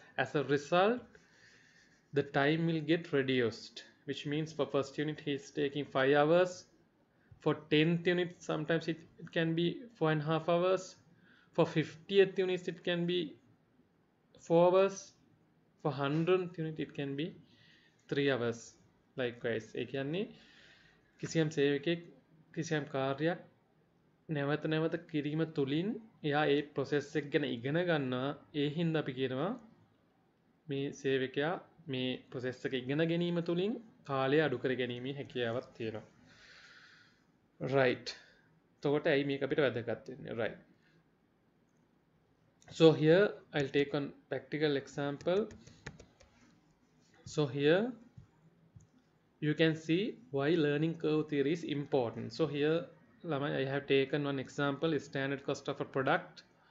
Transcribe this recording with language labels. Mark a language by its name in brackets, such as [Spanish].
[English] As a result, the time will get reduced, which means for first unit he is taking 5 hours, for 10th unit sometimes it can be 4.5 hours, for 50th unit it can be 4 hours, for 100th unit it can be 3 hours. Likewise, [Sinhala] ඒ කියන්නේ කිසියම් සේවකෙක් කිසියම් කාර්යයක් නැවත නැවත කිරීම තුළින් එයා ඒ process එක ගැන ඉගෙන ගන්නවා. ඒ හින්දා අපි කියනවා මේ සේවකයා මේ process එක ඉගෙන ගැනීම තුළින් කාලය අඩු කර ගැනීමේ හැකියාවක් තියෙනවා. [English] Right. [Sinhala] එතකොට ඇයි මේක අපිට වැදගත් වෙන්නේ? [English] Right. So here I'll take a practical example. So here you can see why learning curve theory is important. So here I have taken one example, standard cost of a product.